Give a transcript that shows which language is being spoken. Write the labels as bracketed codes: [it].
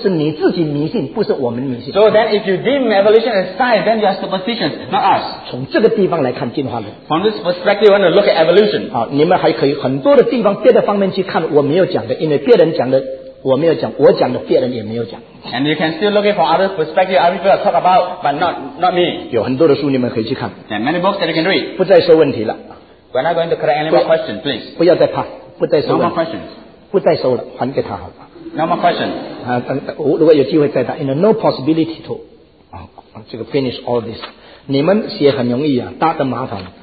[zh] 所以你就把这个进化论当作科学，是你自己迷信，不是我们迷信。So [en] then if you deem evolution as science, then you are superstitious, not us. [zh] 从这个地方来看进化论。From [en] this perspective, you want to look at evolution. [zh] 好，你们还可以很多的地方，别的方面去看，我没有讲的，因为别人讲的。我没有讲，我讲的别人也没有讲。 [en] And you can still looking for other perspective, other people talk about, but not me. [zh] 有很多的书你们可以去看。 [en] And many books that you can read. [zh] 不再收问题了。 [en] We're not going to correct any more questions, please. [zh] 不要再怕，不再收。 [en] No more questions. [zh] 不再收了，还给他好吧。 [en] No more questions. [zh] 如果有机会再答，因为 [en] no possibility to, [zh] 这个 [en] finish all this. [zh] 你们写很容易啊，答的麻烦。